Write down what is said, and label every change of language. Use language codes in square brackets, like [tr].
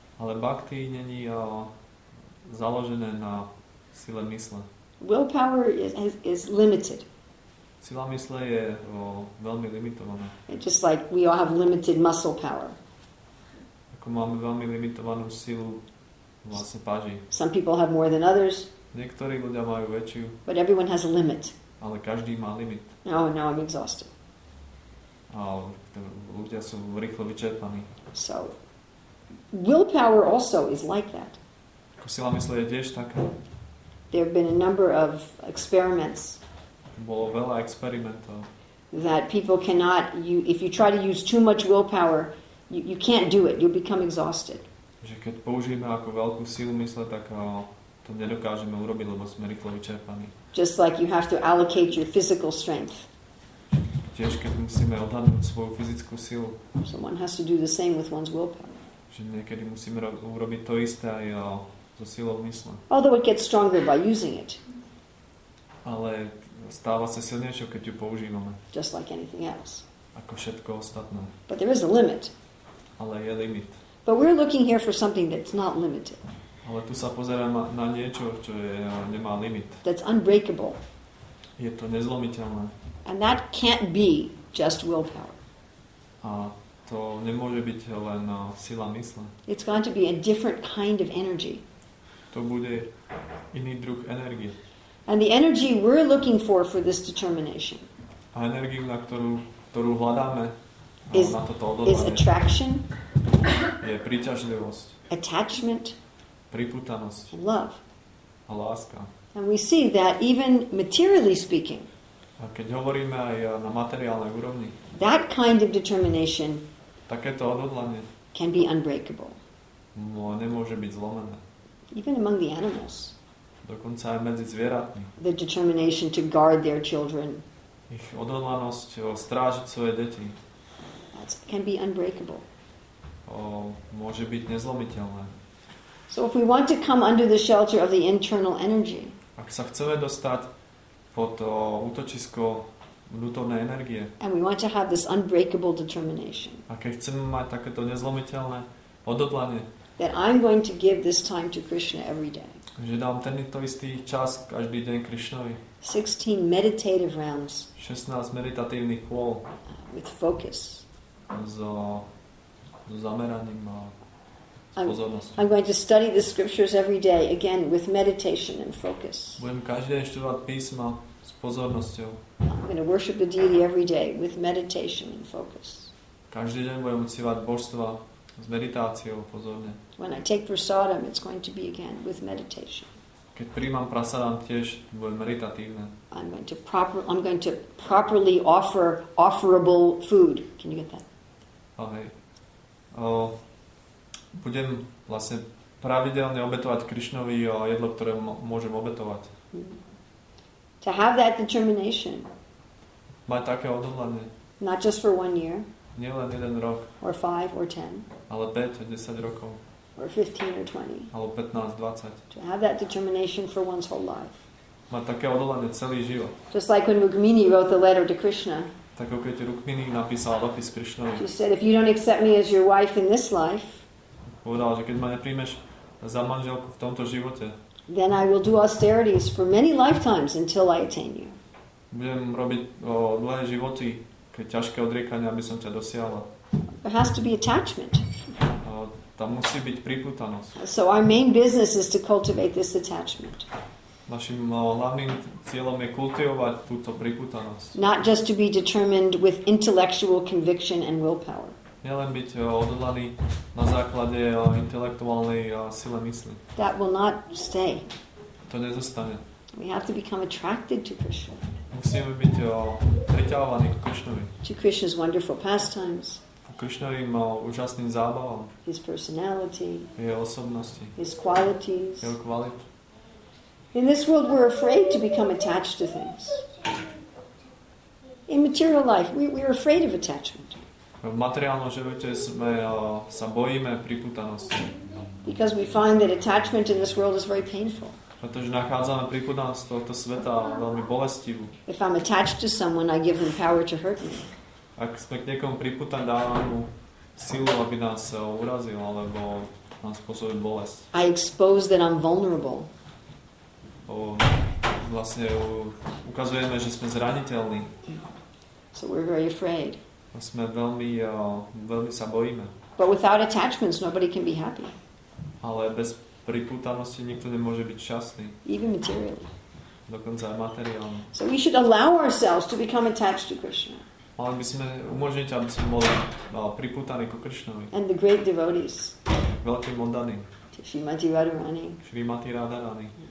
[sk] Ale bhakti není založené na sile mysle. [en] Willpower is limited. [sk] Sila mysle je veľmi limitovaná. [en] Just like we all have limited muscle power. [sk] Ako máme veľmi limitovanú silu vlastne páži. [en] Some people have more than others. [sk] Niektorí ľudia majú väčšiu. [en] But everyone has a limit. [sk] Ale každý má limit. [en] No, now I'm exhausted. [sk] A ľudia sú rýchlo vyčerpaní. [en] So, willpower also is like that. [sk] Sila mysle je tiež taká. [en] There have been a number of experiments. [sk] Bolo veľa experimentov. [en] That people cannot, if you try to use too much willpower, you can't do it, you'll become exhausted. [sk] Že keď použijeme ako veľkú silu mysle, tak to nedokážeme urobiť, lebo sme rýchlo vyčerpaní. [en] Just like you have to allocate your physical strength. [sk] Tiež keď musíme odhadnúť svoju fyzickú silu. [en] Someone has to do the same with one's willpower. [sk] Že niekedy musíme urobiť to isté aj so silou mysle. [en] Although it gets stronger by using it. [sk] Ale stáva sa silnejšie, keď ju používame. [en] Just like anything else. [sk] Ako všetko ostatné. [en] But there is a limit. [sk] Ale je limit. [en] But we're looking here for something that's not limited. [sk] Ale tu sa pozerám na niečo, čo nemá limit. [en] That's unbreakable. [sk] Je to nezlomiteľné. [en] And that can't be just willpower. [sk] A to nemôže byť len sila mysle. [en] It's going to be a different kind of energy. [sk] To bude iný druh energie. [en] And the energy we're looking for this determination. [sk] A energiu, na ktorú hľadáme, na toto odhodlanie. [en] Is attraction. [sk] Je príťažlivosť. [en] Attachment. [sk] Pripútanosť. [en] Love. [sk] A láska. [en] And we see that even materially speaking. [sk] A keď hovoríme aj na materiálnej úrovni. [en] That kind of determination. [sk] Takéto odhodlanie. [en] Can be unbreakable. [sk] Nemôže byť zlomené. [en] Even among the animals. [sk] Dokonca aj medzi zvieratmi. [en] The determination to guard their children. [sk] Ich odhodlanosť strážiť svoje deti. [en] That can be unbreakable. [sk] Môže byť nezlomiteľné. [en] So if we want to come under the shelter of the internal energy. [sk] Ak sa chceme dostať pod útočisko vnútornej energie. [en] And we want to have this unbreakable determination. [sk] A keď chceme mať takéto nezlomiteľné odhodlanie. [en] That I'm going to give this time to Krishna every day. [sk] Že dám tento istý čas každý deň Krišnovi. [en] 16 meditative rounds. [sk] 16 meditatívnych kôl. [en] With focus. [sk] So zameraním a pozornosť. [en] I'm going to study the scriptures every day again with meditation and focus. [sk] Budem každý deň študovať písma s pozornosťou. [en] I'm going to worship the deity every day with meditation and focus. [sk] Každý deň budem uctievať božstva s meditáciou pozorne. [en] When I take prasadam, it's going to be again with meditation. [sk] Keď prijímam prasadam, tiež budem meditatívne. [en] I'm going to properly offer offerable food. Can you get that? Okay. [sk] Budem vlastne pravidelne obetovať Krišnovi jedlo, ktoré môžem obetovať. [en] To have that determination. [sk] Mať také odhodlanie. [en] Not just for one year. [sk] Nie len jeden rok. [en] Or 5 or 10. [sk] Ale 5, 10 rokov. [en] Or 15 or 20. [sk] Alebo 15, 20. [en] To have that determination for one's whole life. [sk] Mať také odhodlanie celý život. [en] Just like when Rukmini wrote the letter to Krishna. [sk] Tak ako keď Rukmini napísala dopis Krishnovi. [en] She said, if you don't accept me as your wife in this life. [sk] Povedala, že keď ma neprijmeš za manželku v tomto živote. [en] Then I will do austerities for many lifetimes until I attain you. [sk] Budem robiť dlhé životy, keď ťažké odriekanie, aby som ťa dosiahla. [en] There has to be attachment. [sk] Tam musí byť pripútanosť. [en] So our main business is to cultivate this attachment. [sk] Našim hlavným cieľom je kultivovať túto pripútanosť. [en] Not just to be determined with intellectual conviction and willpower. [sk] Nie len byť odhodlaný na základe intelektuálnej sile mysli. [en] That will not stay. [sk] To nezostane. [en] We have to become attracted to Krishna. [sk] Musíme byť priťahovaní k Krišnovi. [en] To Krishna's wonderful pastimes. [sk] Krišnovi má úžasným zábavom. [en] His personality. [sk] Jeho osobnosti. [en] His qualities. [sk] Jeho kvality. [en] In this world, we're afraid to become attached to things. In material life, we're afraid of attachment. [sk] V materiálnom živote sme sa bojíme pripútanosti. [en] Because we find that attachment in this world is very painful. [sk] Pretože nachádzame pripútanosť tohto sveta veľmi bolestivú. [en] If I'm attached to someone, I give them power to hurt me. [sk] Ak sme k niekomu pripútaní, dávam mu silu, aby nás urazil, alebo nám spôsobil bolesť. [en] I expose that I'm vulnerable. [sk] Vlastne ukazujeme, že sme zraniteľní. [en] So we're very afraid. [sk] Sme veľmi, veľmi sa bojíme. [en] But without attachments, nobody can be happy. [sk] Ale bez pripútanosti nikto nemôže byť šťastný. [en] Even materially. [sk] Dokonca aj materiálne. [en] So we should allow ourselves to become attached to Krishna. [sk] Mali by sme umožniť, aby sme boli pripútaní ku Krishnovi. [en] And the great devotees. [sk] Veľký mondaný. [en] Shrimati Radharani. [sk] Shrimati Radharani.